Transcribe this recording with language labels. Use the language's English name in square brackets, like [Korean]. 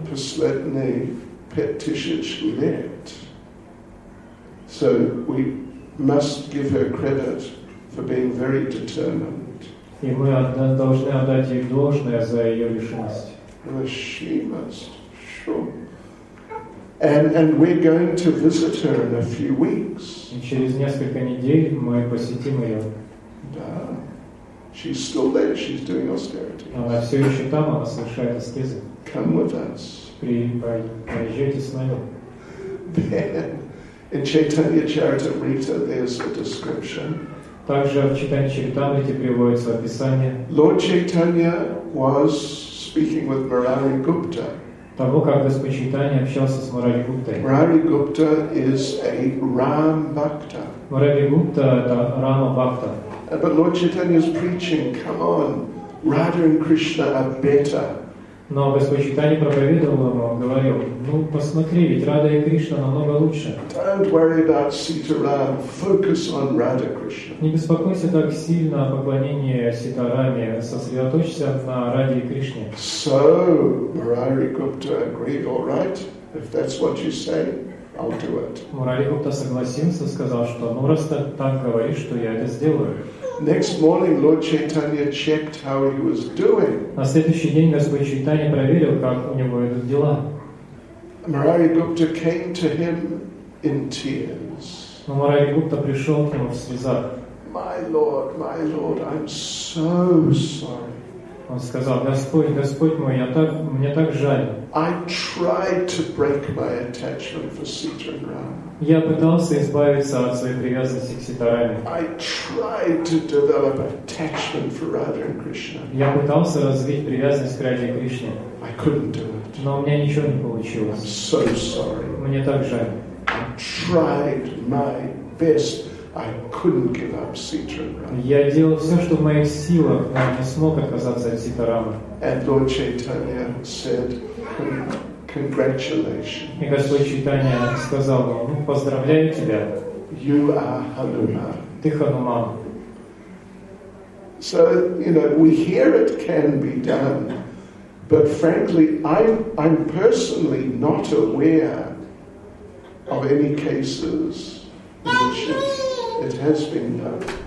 [Russian] Последний петтишич лет. [English] So we must give her credit for being very determined. [Russian] И мы должны отдать ей должное за ее решимость. [English] Well, she must, sure. And we're going to visit her in a few weeks. [Russian] И через несколько недель мы посетим ее. [English] Да. She's still there. She's doing austerity. [Russian] Она все еще там, она совершает аскезы. [English] Come with us. [Russian] Приезжайте с нами. [English] In Chaitanya Charitamrita, there's a description. [Russian] Также в Читании Чаритамрите приводится описание. [English] Lord Chaitanya was speaking with Murari Gupta. [Russian] Того, как Господь Чайтанья общался с Мурари Гуптой. [English] Мурари Гупта is a Ram Bhakta. [Russian] Мурари Гупта – это Рама Бхакта. [English] But Lord Chaitanya is preaching, come on, Radha and Krishna are better. [Russian] Но Господь Чайтанья проповедовал ему, говорил, ну посмотри, ведь Радха и Кришна намного лучше. [English] Don't worry about Sitaram, focus on Radha Krishna. [Russian] Не беспокойся так сильно о поклонении Ситараме, сосредоточься на Радхе и Кришне. [English] So, Murari Gupta agreed, all right, if that's what you say, I'll do it. [Russian] Murari Gupta согласился, сказал, что ну раз ты так говоришь, что я это сделаю. [English] Next morning, Lord Chaitanya checked how he was doing. [Russian] На следующий день Господь Чайтанья проверил, как у него идут дела. [English] Murari Gupta came to him in tears. [Russian] Но Murari Gupta пришел к нему в слезах. [English] My Lord, I'm so sorry. [Russian] Он сказал, Господь, Господь мой, мне так жаль. [English] I tried to break my attachment for Sitaram. [Russian] Я пытался избавиться от своей привязанности к Ситараме. [English] I tried to develop attachment for Radha and Krishna. [Russian] Я пытался развить привязанность к Радхе и Кришне. [English] I couldn't do it. [Russian] Но у меня ничего не получилось. [English] I'm so sorry. [Russian] Мне так жаль. [English] I tried my best. I couldn't give up Sitaram. [Russian] Я делал все, что в моих силах, но не смог отказаться от Ситарамы. [English] And Lord Chaitanya said, congratulations. [Russian] И Господь Чайтанья сказал ему, ну, поздравляю тебя. [English] You are Hanuman. [Russian] Ты Хануман. [English] So, you know, we hear it can be done. But frankly, I'm personally not aware of any cases in which it has been done.